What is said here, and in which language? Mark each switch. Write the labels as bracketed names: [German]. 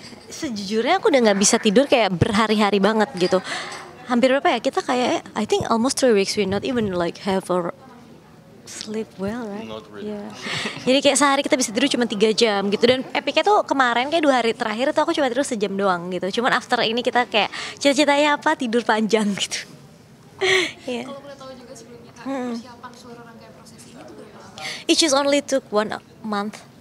[Indonesian] Sejujurnya aku udah gak bisa tidur kayak berhari-hari banget gitu. Hampir berapa ya, kita kayak [English] I think almost 3 weeks we not even like have a sleep well, right? Not really, yeah. [Indonesian] Jadi kayak sehari kita bisa tidur cuma 3 jam gitu. Dan epiknya tuh kemarin kayak 2 hari terakhir tuh aku cuma tidur sejam doang gitu. Cuman after ini kita kayak cita-citanya apa, tidur panjang gitu. Yeah. Kalau boleh tahu juga sebelumnya kak, persiapan seluruh rangkaian proses ini tuh berapa [English] lama? It just only took 1 month.